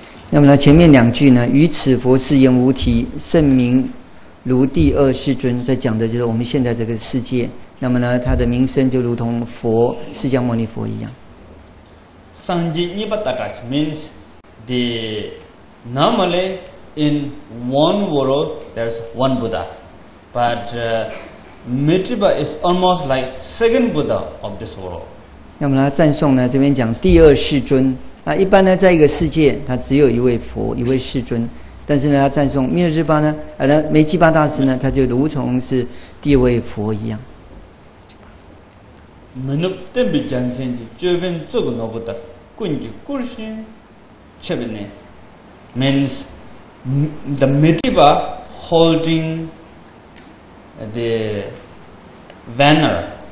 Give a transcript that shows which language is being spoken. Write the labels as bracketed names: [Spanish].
[Chinese] 那么呢，前面两句呢，于此佛世言无题，圣名如第二世尊，在讲的就是我们现在这个世界。那么呢，他的名声就如同佛释迦牟尼佛一样。 [English] Sanji Nibbata means the normally in one world there's one Buddha, but Mitriba is almost like second Buddha of this world. [Chinese] 那么呢，赞颂呢这边讲第二世尊。那一般呢，在一个世界，它只有一位佛，一位世尊。但是呢，他赞颂Mitriba呢，梅基巴大师呢，他就如同是第二位佛一样。 Menup tembi jansenji jöven zogu nobuda kunji kulshin chebine [English] means the Mitriba holding the banner